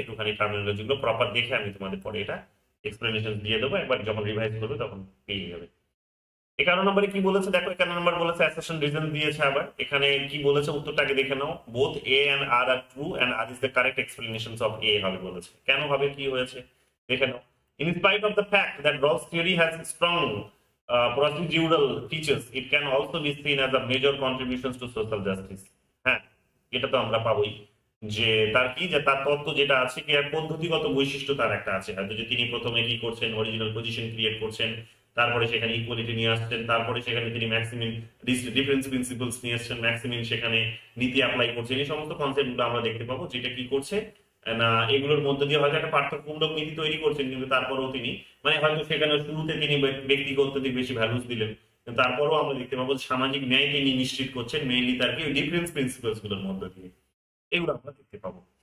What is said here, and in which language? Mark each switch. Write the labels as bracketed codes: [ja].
[bn] একটুখানি টার্মিনোলজি গুলো প্রপার দেখে আমি তোমাদের পরে এটা এক্সপ্লেনেশন দিয়ে দেবো, একবার যখন রিভাইজ করবে তখন পেয়ে যাবে। 11 নম্বরে কি বলেছে দেখো, 11 নম্বর বলেছে অ্যাসেশন রিজন দিয়েছে, আবার এখানে কি বলেছে উত্তরটাকে দেখে নাও, both A and আর আর true and আর is the correct explanation of এ হবে বলেছে। কেন হবে, কি হয়েছে দেখে নাও। [en] In spite of the fact that Rawls' theory has strong procedural features, it can also be seen as a major contribution to social justice. [bn] হ্যাঁ, এটা তো আমরা পাবোই যে তার কি, যে তার তত্ত্ব যেটা আছে কি, পদ্ধতিগত বৈশিষ্ট্য তার একটা আছে, হয়তো যে তিনি প্রথমে কি করছেন অরিজিনাল পজিশন ক্রিয়েট করছেন, তারপরে সেখানে ইকুয়ালিটি নিয়ে আসছেন, তারপরে সেখানে তিনি ম্যাক্সিমিন ডিফারেন্স প্রিন্সিপালস নিয়ে আসছেন, ম্যাক্সিমিন সেখানে নীতি অ্যাপ্লাই করছেন, এই সমস্ত কনসেপ্ট গুলো আমরা দেখতে পাবো যেটা কি করছে না, এগুলোর মধ্যে দিয়ে হয়তো একটা পার্থক্যমূলক নীতি তৈরি করছেন, কিন্তু তারপরেও তিনি মানে হয়তো সেখানে শুরুতে তিনি ব্যক্তিকে অত্যধিক বেশি ভ্যালুস দিলেন, তারপরও আমরা দেখতে পাবো সামাজিক ন্যায় তিনি নিশ্চিত করছেন মেইনলি তার কি ডিফারেন্স প্রিন্সিপালস গুলোর মধ্যে দিয়ে, এগুলো আমরা দেখতে পাবো।